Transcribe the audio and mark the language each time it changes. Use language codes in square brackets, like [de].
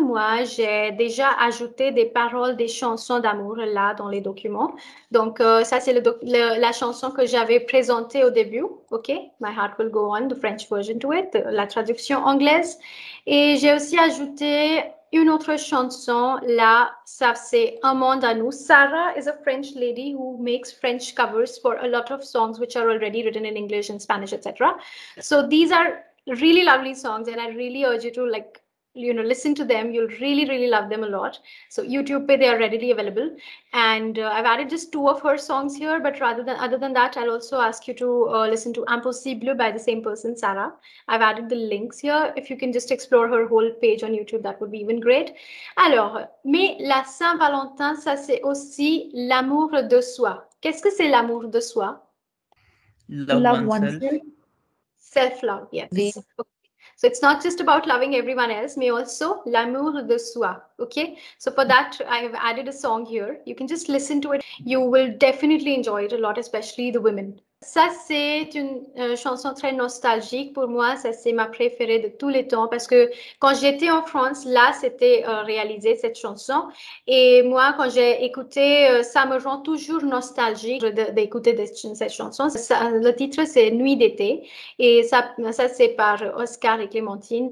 [fr] Moi, j'ai déjà ajouté des paroles, des chansons d'amour là dans les documents. Donc, ça, c'est la chanson que j'avais présentée au début. OK? [en] My Heart Will Go On, the French version to it, [fr] la traduction anglaise. Et j'ai aussi ajouté une autre chanson là. Ça, c'est Un Monde à nous. [en] Sarah is a French lady who makes French covers for a lot of songs which are already written in English and Spanish, etc. So, these are really lovely songs and I really urge you to like, you know, listen to them. You'll really, really love them a lot. So YouTube, they are readily available. And I've added just two of her songs here, but other than that, I'll also ask you to listen to Impossible by the same person, Sarah. I've added the links here. If you can just explore her whole page on YouTube, that would be even great. [fr] Alors, mais la Saint-Valentin, ça c'est aussi l'amour de soi. Qu'est-ce que c'est l'amour de soi? [en] Love oneself. Self-love, yes. Okay. So it's not just about loving everyone else, mais also [fr] l'amour de soi, [en] okay? So for that, I have added a song here. You can just listen to it. You will definitely enjoy it a lot, especially the women. [fr] Ça, c'est une chanson très nostalgique pour moi. Ça, c'est ma préférée de tous les temps parce que quand j'étais en France, là, c'était réalisé cette chanson. Et moi, quand j'ai écouté, ça me rend toujours nostalgique d'écouter cette chanson. Ça, le titre, c'est Nuit d'été. Et ça, c'est par Oscar et Clémentine.